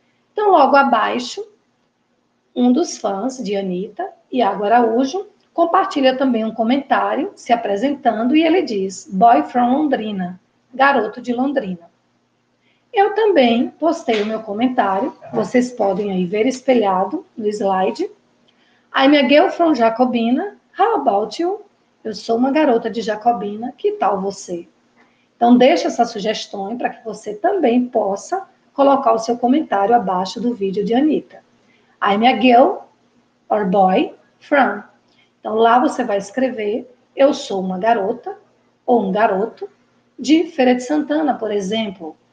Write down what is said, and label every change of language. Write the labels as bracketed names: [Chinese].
[Portuguese] Então, logo abaixo, um dos fãs de Anitta, Iago Araújo, compartilha também um comentário se apresentando e ele diz: [English] Boy from Londrina, [Portuguese] garoto de Londrina. Eu também postei o meu comentário, vocês podem aí ver espelhado no slide. [English] I'm a girl from Jacobina, how about you? [Portuguese] Eu sou uma garota de Jacobina, que tal você? Então deixa essa sugestão para que você também possa colocar o seu comentário abaixo do vídeo de Anitta. [English] I'm a girl or boy from. [Portuguese] Então lá você vai escrever, eu sou uma garota ou um garoto de Feira de Santana, por exemplo.